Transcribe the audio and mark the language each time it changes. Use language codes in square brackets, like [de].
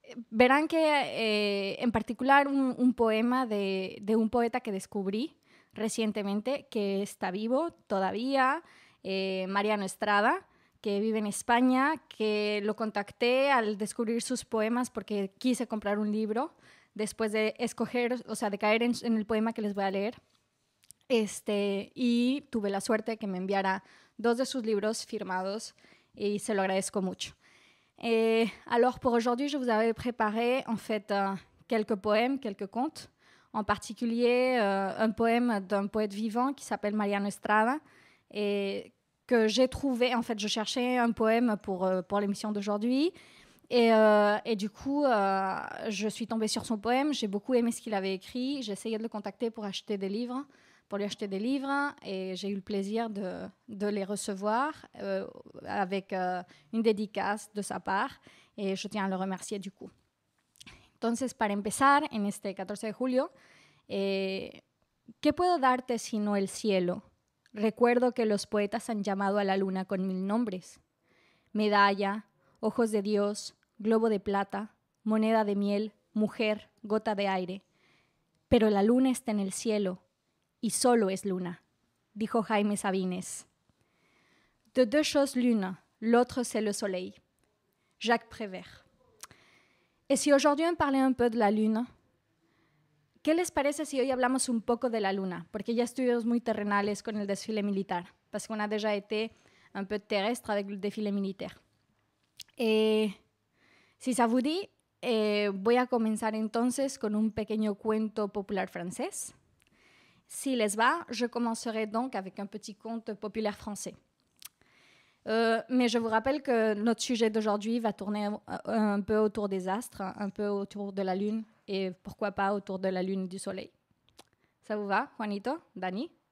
[es] Verán que en particular un poema de un poeta que descubrí recientemente, que está vivo todavía, Mariano Estrada, que vive en España, que lo contacté al descubrir sus poemas porque quise comprar un libro después de escoger, o sea, de caer en el poema que les voy a leer. Y tuve la suerte de que me enviara dos de sus libros firmados y se lo agradezco mucho. [fr] Alors pour aujourd'hui, je vous avais préparé en fait quelques poèmes, quelques contes, en particulier un poème d'un poète vivant qui s'appelle Mariano Estrada, et que j'ai trouvé, en fait, je cherchais un poème pour l'émission d'aujourd'hui. Et du coup, je suis tombée sur son poème, j'ai beaucoup aimé ce qu'il avait écrit, j'ai essayé de le contacter pour lui acheter des livres, et j'ai eu le plaisir de les recevoir avec une dédicace de sa part, et je tiens à le remercier du coup. [es] Entonces, para empezar, en este 14 de julio, ¿qué puedo darte sino el cielo? Recuerdo que los poetas han llamado a la luna con mil nombres. Medalla, ojos de Dios, globo de plata, moneda de miel, mujer, gota de aire. Pero la luna está en el cielo y solo es luna, dijo Jaime Sabines. [fr] De deux choses l'une, l'autre c'est le soleil. [es] Jacques Prévert. [fr] Et si aujourd'hui on parlait un peu de la lune, [es] ¿qué les parece si hoy hablamos un poco de la luna? Porque ya estuvimos muy terrenales con el desfile militar. [fr] Parce qu'on a déjà été un peu terrestre avec le défilé militaire. Si ça vous dit, [es] voy a comenzar entonces con un pequeño cuento popular francés. Si les va, [fr] je commencerai donc avec un petit conte populaire français. Mais je vous rappelle que notre sujet d'aujourd'hui va tourner un peu autour des astres, un peu autour de la lune et pourquoi pas autour de la lune du soleil. Ça vous va, Juanito, Dani?